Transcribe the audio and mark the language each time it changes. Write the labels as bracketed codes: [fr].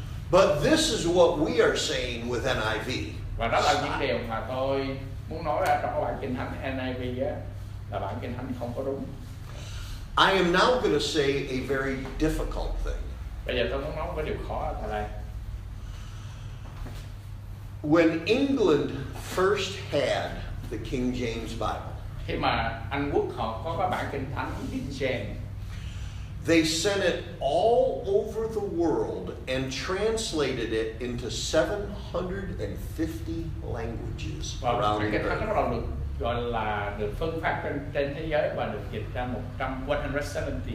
[en] But this is what we are saying with NIV. [vi] Và đó là những điều mà tôi muốn nói ra trong bản kinh thánh NIV á, là bản kinh thánh không có đúng. [en] I am now going to say a very difficult thing. [vi] Bây giờ tôi muốn nói một điều khó ở đây. [en] When England first had the King James Bible, [vi] khi mà Anh Quốc họ có cái bản kinh thánh King James, [en] they sent it all over the world and translated it into 750 languages around the world. [vi] Và cái thánh đó là được phân phát trên thế giới và được dịch ra 170.